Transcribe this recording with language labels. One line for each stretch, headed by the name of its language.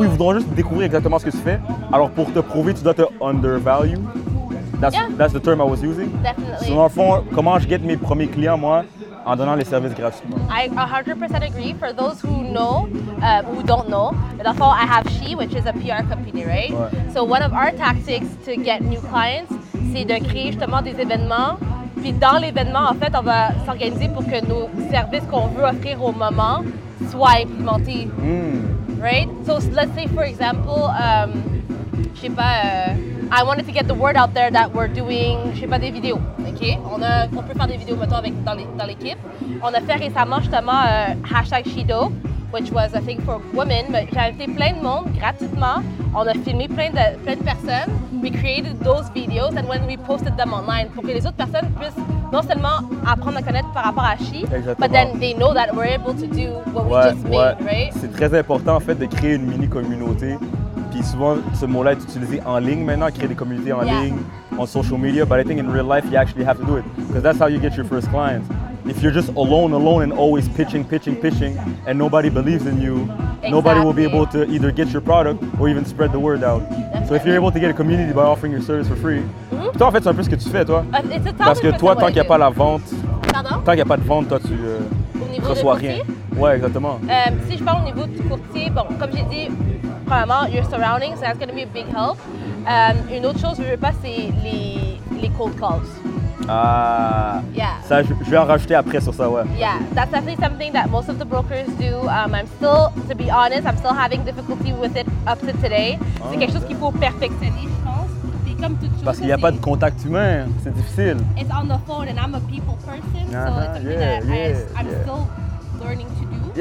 French: ou ils voudront juste découvrir exactement ce que tu fais. Alors pour te prouver, tu dois te undervalue.
English: That's, yeah. that's the term I was using. Definitely.
French: So, dans le fond, comment je get mes premiers clients, moi, en donnant les services gratuitement?
English: I 100% agree. For those who know, who don't know,
French: dans le fond,
English: I have She, which is a PR company, right?
French: Ouais.
English: So, one of our tactics to get new clients,
French: c'est de créer justement des événements. Puis dans l'événement, en fait, on va s'organiser pour que nos services qu'on veut offrir au moment soit implémenté, right?
English: So let's say for example,
French: je sais pas,
English: I wanted to get the word out there that we're doing,
French: je sais pas, des vidéos,
English: ok?
French: On peut faire des vidéos maintenant avec dans l'équipe. On a fait récemment justement hashtag Shido,
English: which was a thing for women, but
French: j'ai invité plein de monde gratuitement. On a filmé plein de personnes.
English: We created those videos and when we posted them online,
French: pour que les autres personnes puissent non seulement apprendre à connaître par rapport à She, exactement.
English: But then they know that we're able to do what
French: ouais,
English: we just
French: ouais.
English: made, right?
French: C'est très important en fait de créer une mini communauté. Puis souvent ce mot-là est utilisé en ligne maintenant, créer des communautés en
English: yeah.
French: ligne, en social media.
English: But I think in real life you actually have to do it because that's how you get your first clients. If you're just alone and always pitching and nobody believes in you, exactly. nobody will be able to either get your product or even spread the word out. Definitely. So if you're able to get a community by offering your service for free, mm-hmm.
French: toi en fait c'est un peu ce que tu fais toi.
English: It's
French: parce que toi tant qu'il n'y a pas la vente, pardon? Tant qu'il n'y a pas de vente, toi tu ne reçois rien. Ouais, exactement. Si je parle au niveau du courtier, bon, comme j'ai dit, premièrement,
English: your surroundings, that's going to be a big help.
French: Une autre chose, je ne veux pas, c'est les cold calls. Ça, je vais en rajouter après sur ça, ouais.
English: Yeah, that's definitely something that most of the brokers do. I'm still, to be honest, I'm still having difficulty with it up to today.
French: C'est quelque chose qu'il faut perfectionner, je pense. Puis comme toute chose, parce qu'il n'y a pas de contact humain, c'est difficile.
English: It's on the phone and I'm a people person, so it's something that I'm still learning to do.